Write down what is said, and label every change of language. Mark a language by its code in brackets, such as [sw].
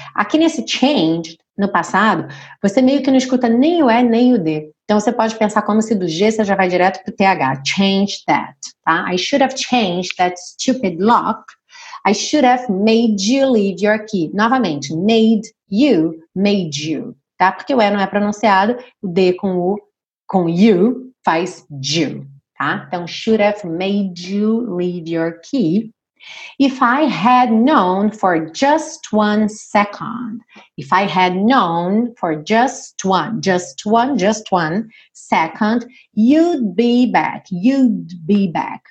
[pt] Aqui nesse change, no passado, você meio que não escuta nem o E, nem o D. Então, você pode pensar como se do G você já vai direto pro TH. [en] Change that, tá? I should have changed that stupid lock. I should have made you leave your key. [pt] Novamente, [en] made you, [pt] tá? Porque o E não é pronunciado, o D com o, com you, faz you, tá? Então, [en] should have made you leave your key. If I had known for just 1 second, if I had known for just one second, you'd be back.